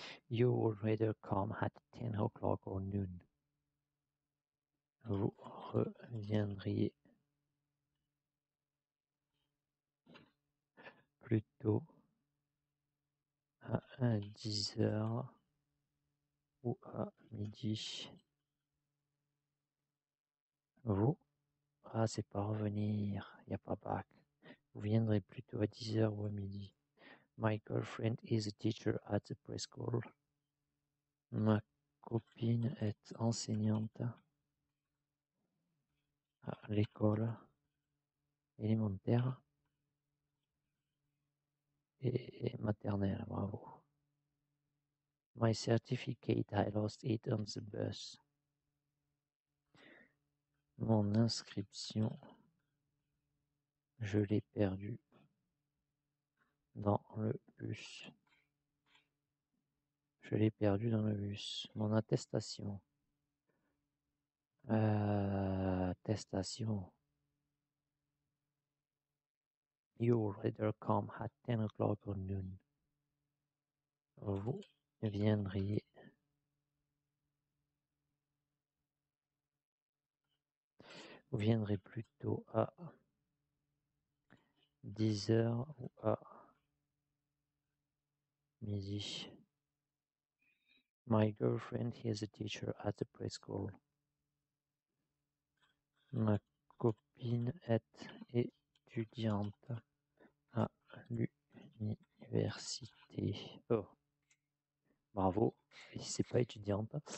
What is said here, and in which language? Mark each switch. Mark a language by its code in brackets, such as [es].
[en] You would rather come at 10 o'clock or noon. [fr] Vous reviendriez plutôt à 10 heures ou à midi. Vous, ah, c'est pas revenir, il n'y a pas back. Vous viendrez plutôt à 10 heures ou à midi. [en] My girlfriend is a teacher at the preschool. [fr] Ma copine est enseignante à l'école élémentaire et maternelle. [en] Bravo. My certificate, I lost it on the bus. [fr] Mon inscription, Je l'ai perdu dans le bus. Je l'ai perdu dans le bus. Mon attestation. Attestation. [en] Your letter come at 10 o'clock or noon. [fr] Vous viendriez. Vous viendrez plutôt à 10h ou à midi. [en] My girlfriend, he is a teacher at the preschool. [fr] Ma copine est étudiante à l'université. Oh, bravo, c'est pas étudiante.